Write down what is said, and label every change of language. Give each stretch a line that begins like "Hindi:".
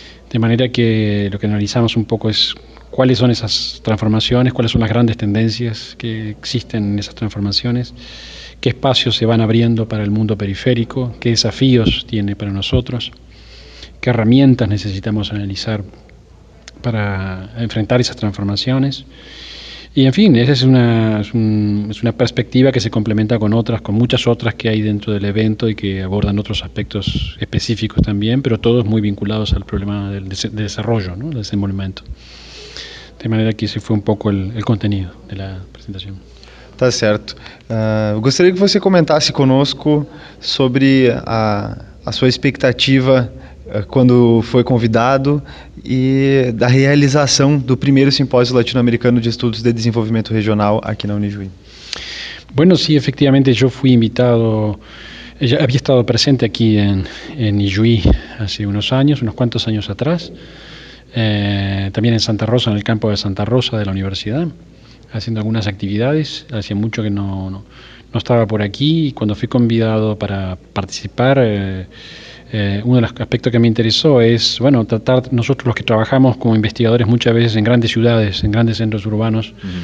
Spanish: De manera que lo que analizamos un poco es cuáles son esas transformaciones, cuáles son las grandes tendencias que existen en esas transformaciones, qué espacios se van abriendo para el mundo periférico, qué desafíos tiene para nosotros, qué herramientas necesitamos analizar para enfrentar esas transformaciones. Y en fin, esa es una perspectiva que se complementa con otras, con muchas otras que hay dentro del evento y que abordan otros aspectos específicos también, pero todos muy vinculados al problema del desarrollo, ¿no? Del desenvolvimiento.
Portuguese: De maneira que esse foi um pouco o conteúdo da apresentação. Tá certo. Gostaria que você comentasse conosco sobre a sua expectativa quando foi convidado e da realização do primeiro Simpósio Latino-Americano de Estudos de Desenvolvimento Regional aqui na Unijuí. Bueno, sim, efectivamente, eu fui invitado, já havia estado presente aqui em Unijuí há uns quantos anos atrás.
Spanish: También en Santa Rosa, en el campo de Santa Rosa de la universidad, haciendo algunas actividades. Hacía mucho que no estaba por aquí y cuando
Portuguese: fui convidado
Spanish: para participar, uno de los aspectos que me interesó es, bueno, tratar nosotros los que trabajamos como investigadores muchas veces en grandes ciudades, en grandes centros urbanos,